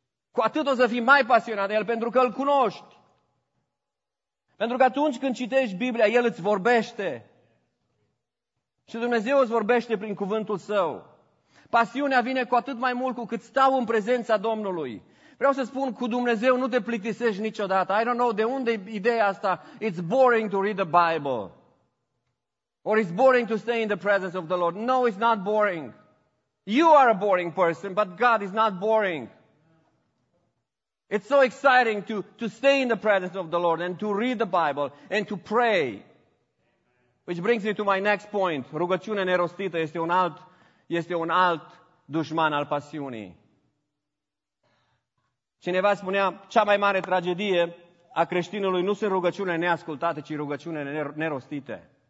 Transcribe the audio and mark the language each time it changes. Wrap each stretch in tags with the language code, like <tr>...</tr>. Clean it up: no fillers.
<ro>cu atât o să fii mai pasionat de El, pentru că îl cunoști. Pentru că atunci când citești Biblia, El îți vorbește. Și Dumnezeu îți vorbește prin cuvântul Său. Pasiunea vine cu atât mai mult cu cât stau în prezența Domnului. Vreau să spun, cu Dumnezeu nu te plictisești niciodată.</ro> <en>I don't know</en> <ro>de unde e ideea asta.</ro> <en>It's boring to read the Bible. Or it's boring to stay in the presence of the Lord. No, it's not boring. You are a boring person, but God is not boring. It's so exciting to stay in the presence of the Lord and to read the Bible and to pray. Which brings me to my next point.</en> <ro>Rugăciunea nerostită este un alt dușman al pasiunii. Cineva spunea, cea mai mare tragedie a creștinului nu sunt rugăciunile neascultate, ci rugăciunile nerostite.</ro>